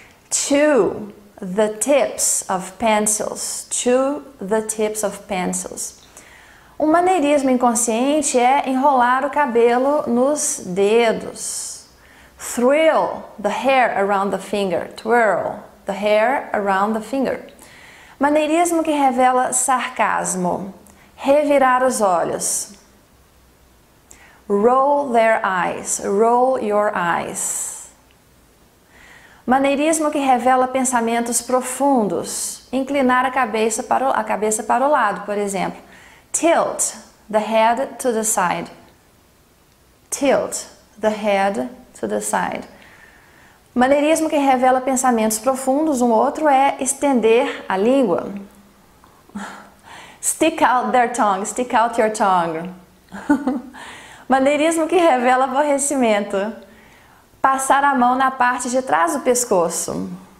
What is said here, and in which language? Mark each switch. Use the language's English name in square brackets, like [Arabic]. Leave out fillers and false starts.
[English] Chew the tips of pencils. Chew the tips of pencils. [Portuguese] Um maneirismo inconsciente é enrolar o cabelo nos dedos. [English] Twirl the hair around the finger. Twirl the hair around the finger. [Portuguese] Maneirismo que revela sarcasmo. Revirar os olhos. [English] Roll their eyes. Roll your eyes. [Portuguese] Maneirismo que revela pensamentos profundos. Inclinar a cabeça para o lado, por exemplo. [English] Tilt the head to the side. Tilt the head to the side. [Portuguese] Maneirismo que revela pensamentos profundos. Um outro é estender a língua. [English] Stick out their tongue. Stick out your tongue. [Portuguese] Maneirismo que revela aborrecimento. Passar a mão na parte de trás do pescoço.